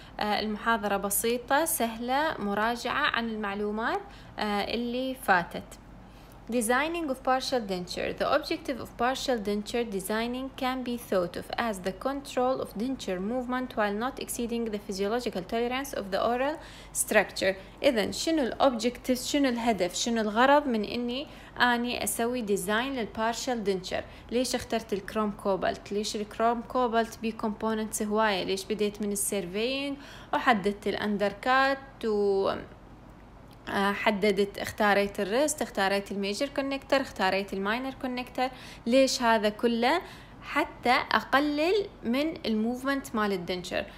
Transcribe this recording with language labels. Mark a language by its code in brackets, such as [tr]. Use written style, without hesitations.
[ar] المحاضرة بسيطة سهلة، مراجعة عن المعلومات اللي فاتت. [en] Designing of partial denture. The objective of partial denture designing can be thought of as the control of denture movement while not exceeding the physiological tolerance of the oral structure. [ar] إذن شنو الobjective، شنو الهدف، شنو الغرض من إني أني أسوي design للpartial denture؟ ليش اخترت الكروم كوبالت؟ ليش الكروم كوبالت بي components هواية؟ ليش بديت من السيرفينج وحددت الأندركات و حددت اختاريت الريست، اختاريت الميجر كونكتر، اختاريت الماينر كونكتر؟ ليش هذا كله؟ حتى اقلل من الموفمنت مال الدنشر.